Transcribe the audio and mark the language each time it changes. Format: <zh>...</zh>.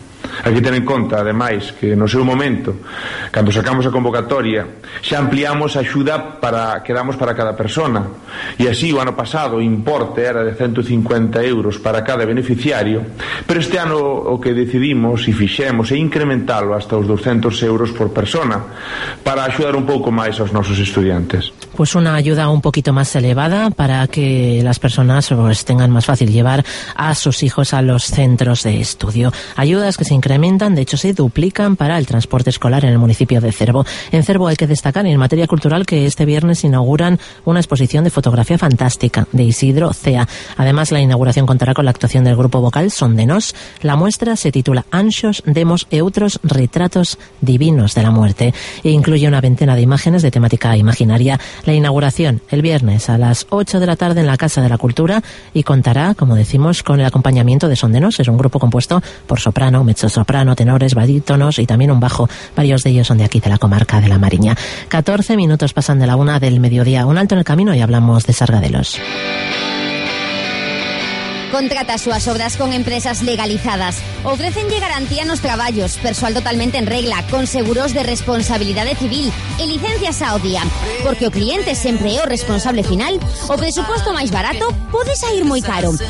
<gl>Hai que tener en conta, ademais, que no seu momento, cando sacamos a convocatoria, xa ampliamos a axuda para que damos para cada persona. E así, o ano pasado, o importe era de 150 euros para cada beneficiario, pero este ano o que decidimos e fixemos é incrementalo hasta os 200 euros por persona para axudar un pouco máis aos nosos estudiantes.</gl> <es>Pues una ayuda un poquito más elevada para que las personas pues, tengan más fácil llevar a sus hijos a los centros de estudio. Ayudas que se incrementan, de hecho se duplican para el transporte escolar en el municipio de Cervo. En Cervo hay que destacar en materia cultural que este viernes inauguran una exposición de fotografía fantástica de Isidro Cea. Además, la inauguración contará con la actuación del grupo vocal Son de Nos. La muestra se titula Anxos, Demos e Outros Retratos Divinos de la Muerte e incluye una veintena de imágenes de temática imaginaria. La inauguración el viernes a las 8 de la tarde en la Casa de la Cultura y contará, como decimos, con el acompañamiento de Son de Nos. Es un grupo compuesto por soprano, mezzosoprano, tenores, barítonos y también un bajo. Varios de ellos son de aquí, de la comarca de La Mariña. 14 minutos pasan de la una del mediodía. Un alto en el camino y hablamos de Sargadelos.</es> <gl>Contrata súas obras con empresas legalizadas. Ofrecenlle garantía nos traballos, persoal totalmente en regla, con seguros de responsabilidade civil e licencias ao día. Porque o cliente sempre é o responsable final, o presuposto máis barato pode sair moi caro.</gl>